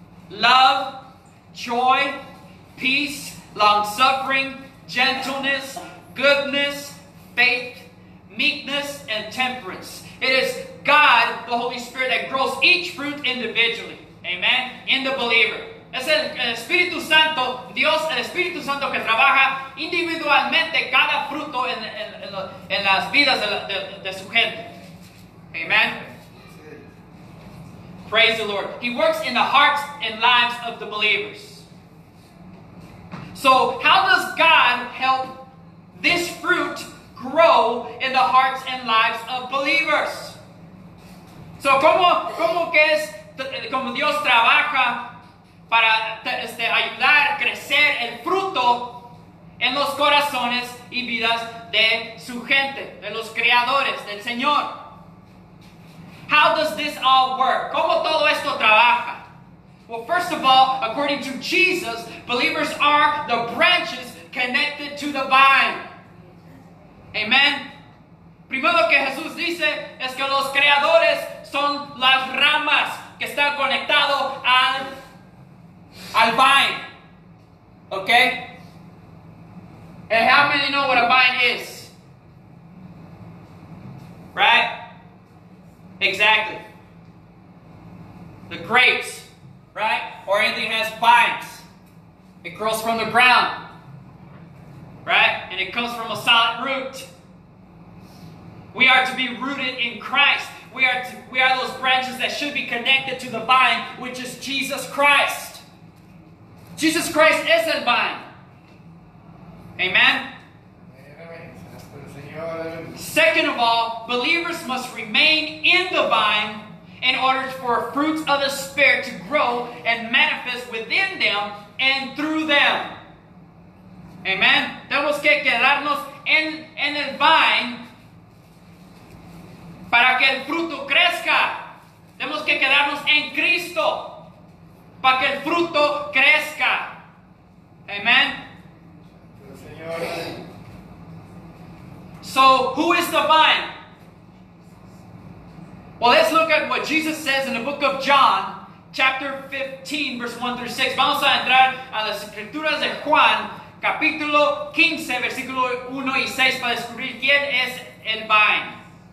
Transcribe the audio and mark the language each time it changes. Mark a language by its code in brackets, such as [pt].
[en] Love, joy, peace, long-suffering, gentleness, goodness, faith, meekness, and temperance. It is God, the Holy Spirit, that grows each fruit individually. Amen? In the believer. [es] Es el Espíritu Santo, Dios, el Espíritu Santo que trabaja individualmente cada fruto en las vidas de su gente. [en] Amen? Praise the Lord. He works in the hearts and lives of the believers. So, how does God help this fruit grow in the hearts and lives of believers? [es] So, ¿cómo que es como Dios trabaja para ayudar a crecer el fruto en los corazones y vidas de su gente, de los creadores, del Señor? [en] How does this all work? [es] ¿Cómo todo esto trabaja? [en] Well, first of all, according to Jesus, believers are the branches connected to the vine. Amen. [es] Primero que Jesús dice es que los creadores son las ramas que están conectado al vine. [en] Okay? And how many know what a vine is? Right? Exactly. The grapes, right? Or anything that has vines. It grows from the ground, right? And it comes from a solid root. We are to be rooted in Christ. We are those branches that should be connected to the vine, which is Jesus Christ. Jesus Christ is that vine. Amen? Second of all, believers must remain in the vine in order for fruits of the Spirit to grow and manifest within them and through them. Amen. [es] Tenemos que quedarnos en el vine para que el fruto crezca. Tenemos que quedarnos en Cristo para que el fruto crezca. Amen. Señor. [en] So, who is the vine? Well, let's look at what Jesus says in the book of John, chapter 15, verse 1 through 6. [es] Vamos a entrar a las escrituras de Juan, capítulo 15, versículo 1 y 6, para descubrir quién es el vine.